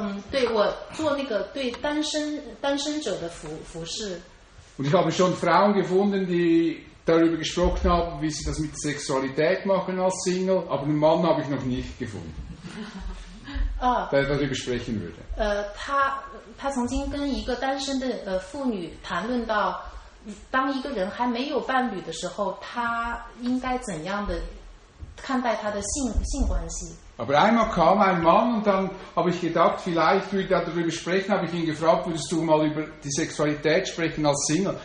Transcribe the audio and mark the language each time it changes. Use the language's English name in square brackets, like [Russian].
[Chinese] 对，我做那个对单身者的服饰。 [German] Und ich habe schon Frauen gefunden, die darüber gesprochen haben, wie sie das mit Sexualität machen als Single, aber einen Mann habe ich noch nicht gefunden, der darüber sprechen würde. [Chinese] 他曾经跟一个单身的妇女谈论到，当一个人还没有伴侣的时候，他应该怎样的看待他的 性关系。 [German] Aber einmal kam ein Mann und dann habe ich gedacht, vielleicht würde er darüber sprechen. Habe ich ihn gefragt, würdest du mal über die Sexualität sprechen als Single?